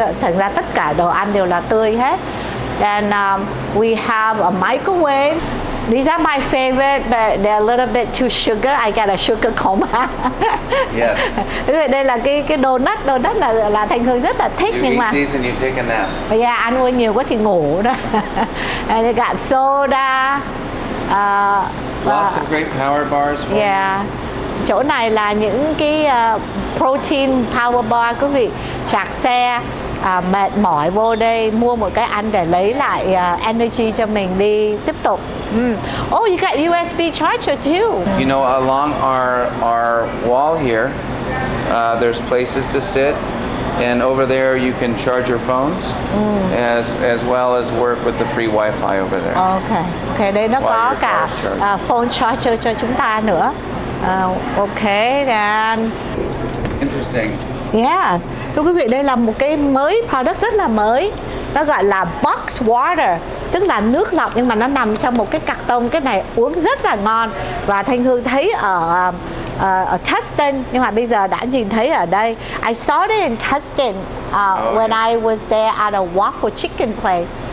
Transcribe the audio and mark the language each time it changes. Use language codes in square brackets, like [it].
[vi] Thành ra tất cả đồ ăn đều là tươi hết. [en] And we have a microwave. These are my favorite, but they're a little bit too sugar. I got a sugar coma. Yes. [vi] Đây là cái donut. Donut là Thanh Hương rất là thích. [en] You eat these and you take a nap. [vi] Yeah, ăn uống nhiều quá thì ngủ đó. [en] And you got soda. Lots of great power bars for you. [vi] Chỗ này là những cái protein power bar, quý vị. Chạc xe, mệt mỏi vô đây, mua một cái ăn để lấy lại energy cho mình đi tiếp tục. [en] Oh, you got USB charger too. You know, along our wall here, there's places to sit, and over there you can charge your phones, as well as work with the free Wi-Fi over there. [vi] Okay, đây nó có cả phone charger cho chúng ta nữa. [en] Okay, then. Interesting. [vi] Yeah, thưa quý vị, đây là một cái mới, product rất là mới. Nó gọi là box water, tức là nước lọc nhưng mà nó nằm trong một cái carton. Cái này uống rất là ngon. Và Thanh Hương thấy ở Tustin, nhưng mà bây giờ đã nhìn thấy ở đây. [en] I saw it in Tustin when I was there at a waffle chicken place.